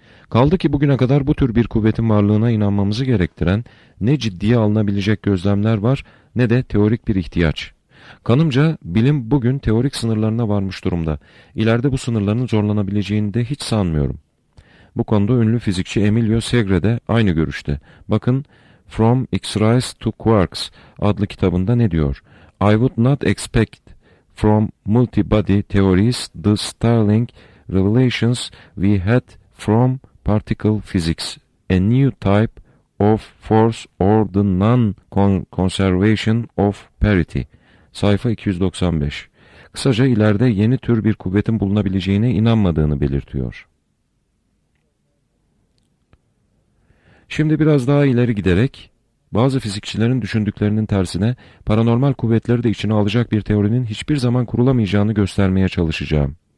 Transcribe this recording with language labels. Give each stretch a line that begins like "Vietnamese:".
Turkish: Kaldı ki bugüne kadar bu tür bir kuvvetin varlığına inanmamızı gerektiren ne ciddiye alınabilecek gözlemler var ne de teorik bir ihtiyaç. Kanımca bilim bugün teorik sınırlarına varmış durumda. İleride bu sınırların zorlanabileceğini de hiç sanmıyorum. Bu konuda ünlü fizikçi Emilio Segre de aynı görüşte. Bakın, From X-rays to Quarks adlı kitabında ne diyor?
English: I would not expect from multi-body theories the startling revelations we had from particle physics, a new type of force or the non-conservation of parity.
Turkish: Sayfa 295. Kısaca ileride yeni tür bir kuvvetin bulunabileceğine inanmadığını belirtiyor. Şimdi biraz daha ileri giderek, bazı fizikçilerin düşündüklerinin tersine paranormal kuvvetleri de içine alacak bir teorinin hiçbir zaman kurulamayacağını göstermeye çalışacağım.